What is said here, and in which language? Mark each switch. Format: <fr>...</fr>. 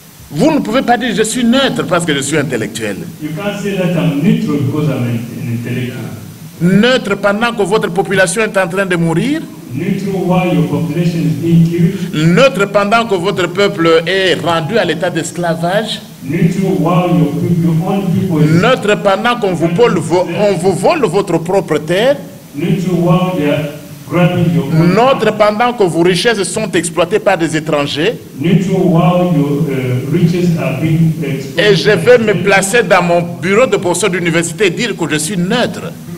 <fr>Vous ne pouvez pas dire je suis neutre parce que je suis intellectuel.</fr> <en>You can't say that I'm neutral because I'm an intellectual.</en> <fr>Neutre pendant que votre population est en train de mourir.</fr> <en>Neutral while your population is being killed.</en> <fr>Neutre pendant que votre peuple est rendu à l'état d'esclavage.</fr> <en>Neutral while your people, your own people is.</en> <fr>Neutre pendant qu'on vous vole, on vous vole votre propre terre.</fr> <en>Neutral while they are.</en> <fr>Neutre pendant que vos richesses sont exploitées par des étrangers. Et je vais me placer dans mon bureau de professeur d'université et dire que je suis neutre.</fr>